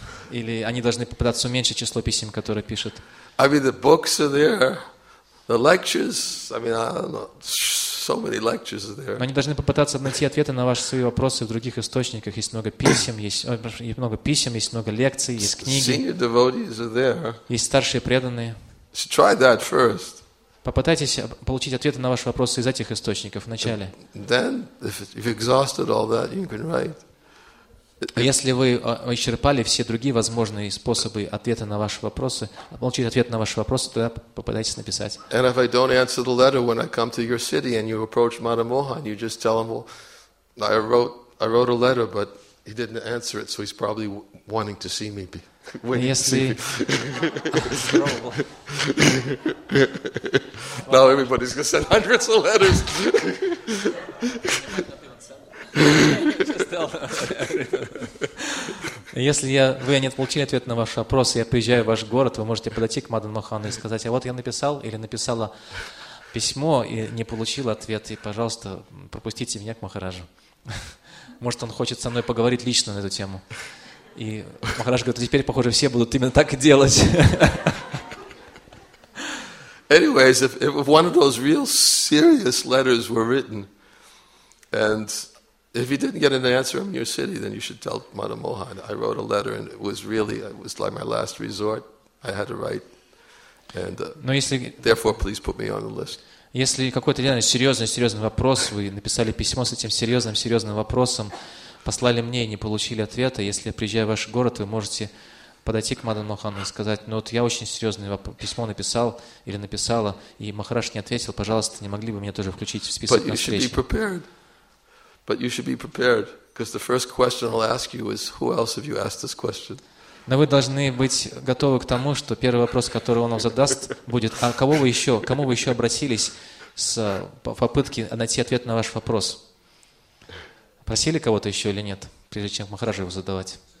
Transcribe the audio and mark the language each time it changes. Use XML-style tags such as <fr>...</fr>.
<ru>Или они должны попытаться уменьшить число писем, которые пишут.</ru> <en>I mean, the books are there, the lectures. I mean, I don't know, so many lectures are there.</en> <ru>Они должны попытаться найти ответы на ваши свои вопросы в других источниках. Есть много писем, есть много лекций, есть книги.</ru> <en>Senior devotees are there.</en> <ru>Есть старшие преданные.</ru> <en>So try that first.</en> <ru>Попытайтесь получить ответы на ваши вопросы из этих источников вначале. Если вы исчерпали все другие возможные способы ответа на ваши вопросы, получить ответ на ваши вопросы, тогда попытайтесь написать.</ru> <en>And if I don't answer the letter when I come to your city and you approach Mada Mohan, you just tell him, well, I wrote a letter, but he didn't answer it, so he's probably wanting to see me. Now everybody's going to send hundreds of letters.</en> <ru>Если вы не получили ответ на ваш вопрос, я приезжаю в ваш город, вы можете подойти к Мадан Мохану и сказать, а вот я написал или написала письмо и не получил ответ, и, пожалуйста, пропустите меня к Махараджу. Может, он хочет со мной поговорить лично на эту тему. И Махарадж говорит, теперь, похоже, все будут именно так и делать.</ru> <en>Anyways, if one of those real serious letters were written, and if you didn't get an answer in your city, then you should tell Mada Mohan, I wrote a letter, and it was like my last resort. I had to write, and therefore, please put me on the list.</en> <ru>Если какой-то серьезный вопрос, вы написали письмо с этим серьезным вопросом, послали мне и не получили ответа. Если я приезжаю в ваш город, вы можете подойти к Мадан Мохану и сказать, ну вот я очень серьезное письмо написал или написала, и Махарадж не ответил, пожалуйста, не могли бы меня тоже включить в список на встречу.</ru> <en>But you should be prepared, because the first question I'll ask you is, who else have you asked this question?</en> <ru>Но вы должны быть готовы к тому, что первый вопрос, который он вам задаст, будет, а кому вы еще обратились с попытки найти ответ на ваш вопрос? Просили кого-то еще или нет, прежде чем Махараджу его задавать?</ru>